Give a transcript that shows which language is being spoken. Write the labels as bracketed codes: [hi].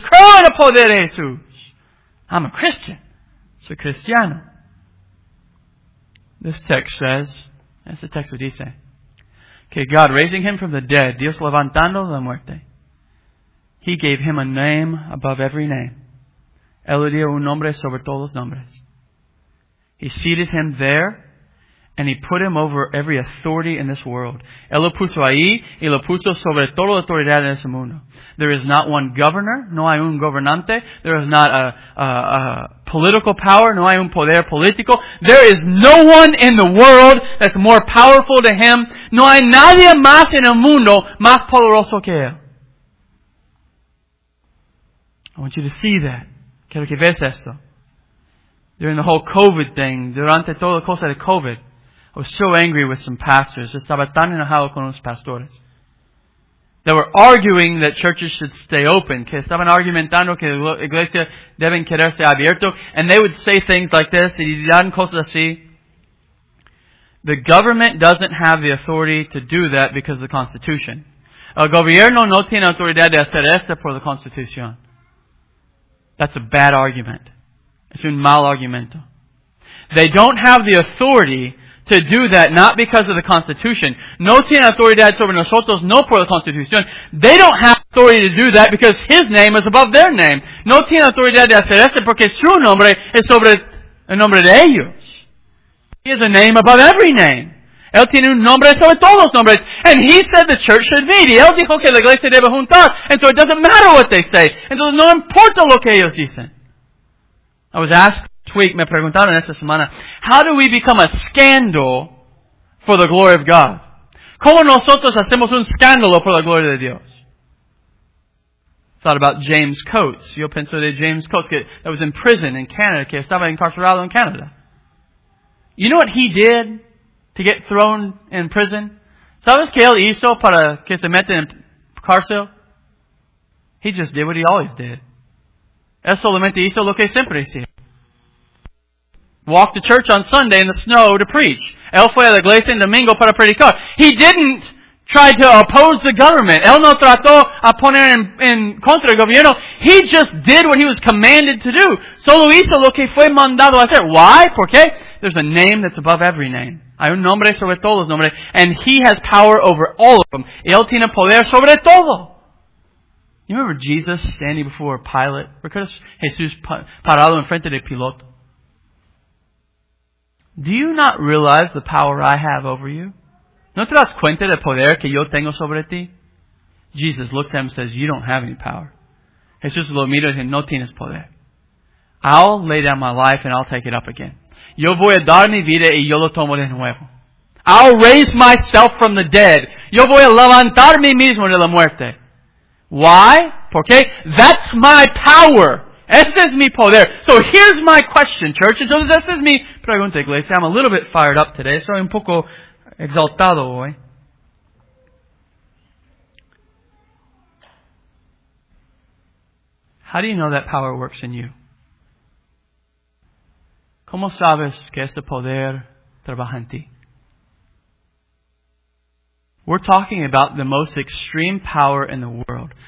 [es] Creo en el poder de Jesús. [en] I'm a Christian. [es] Soy cristiano. [en] This text says, [es] este texto dice, que [en] God raising him from the dead, [es] Dios levantando la muerte, [en] he gave him a name above every name. [es] Él le dio un nombre sobre todos los nombres. [en] He seated him there, and he put him over every authority in this world. [es] Él lo puso ahí, y lo puso sobre toda la autoridad en ese mundo. [en] There is not one governor, [es] no hay un gobernante. [en] There is not a political power, [es] no hay un poder político. [en] There is no one in the world that's more powerful to him. [es] No hay nadie más en el mundo más poderoso que él. [en] I want you to see that. [es] Quiero que veas esto. [en] During the whole COVID thing, [es] durante toda la cosa de COVID, [en] I was so angry with some pastors. [es] Estaba tan enojado con unos pastores. [en] They were arguing that churches should stay open. [es] Que estaban argumentando que la iglesia deben quedarse abierto. [en] And they would say things like this. [es] Y dirán cosas así. [en] The government doesn't have the authority to do that because of the Constitution. [es] El gobierno no tiene autoridad de hacer eso por la Constitución. [en] That's a bad argument. [es] Es un mal argumento. [en] They don't have the authority to do that, not because of the Constitution. [es] No tiene autoridad sobre nosotros, no por la Constitución. [en] They don't have authority to do that because His name is above their name. [es] No tiene autoridad de hacer esto porque su nombre es sobre el nombre de ellos. [en] He has a name above every name. [es] Él tiene un nombre sobre todos los nombres. [en] And he said the church should meet. [es] Y él dijo que la iglesia debe juntar. [en] And so it doesn't matter what they say. [es] Entonces no importa lo que ellos dicen. [en] I was asked this week, [es] me preguntaron esta semana, [en] how do we become a scandal for the glory of God? [es] ¿Cómo nosotros hacemos un escándalo por la gloria de Dios? [en] Thought about James Coates. [es] Yo pensé de James Coates que [en] that was in prison in Canada, [es] que estaba incarcerado [en] in Canada. You know what he did? To get thrown in prison. [es] ¿Sabes qué él hizo para que se meta en cárcel? [en] He just did what he always did. [es] Él solamente hizo lo que siempre hacía. [en] Walked to church on Sunday in the snow to preach. [es] Él fue a la iglesia en domingo para predicar. [en] He didn't tried to oppose the government. [es] Él no trató a poner en contra el gobierno. [en] He just did what he was commanded to do. [es] Solo hizo lo que fue mandado a hacer. Why? ¿Por qué? [en] There's a name that's above every name. [es] Hay un nombre sobre todos los nombres. [en] And he has power over all of them. [es] Y él tiene poder sobre todo. [en] You remember Jesus standing before Pilate? [es] Recuerdas Jesús parado en frente de Piloto? [en] Do you not realize the power I have over you? [es] ¿No te das cuenta del poder que yo tengo sobre ti? [en] Jesus looks at him and says, you don't have any power. [es] Jesús lo mira y dice, no tienes poder. [en] I'll lay down my life and I'll take it up again. [es] Yo voy a dar mi vida y yo lo tomo de nuevo. [en] I'll raise myself from the dead. [es] Yo voy a levantar mi mismo de la muerte. Why? ¿Por qué? [en] That's my power. [es] Ese es mi poder. [en] So here's my question, church. [es] Entonces, ese es mi pregunta, iglesia. [en] I'm a little bit fired up today. [es] Soy un poco exaltado hoy. [en] How do you know that power works in you? [es] ¿Cómo sabes que este poder trabaja en ti? [en] We're talking about the most extreme power in the world.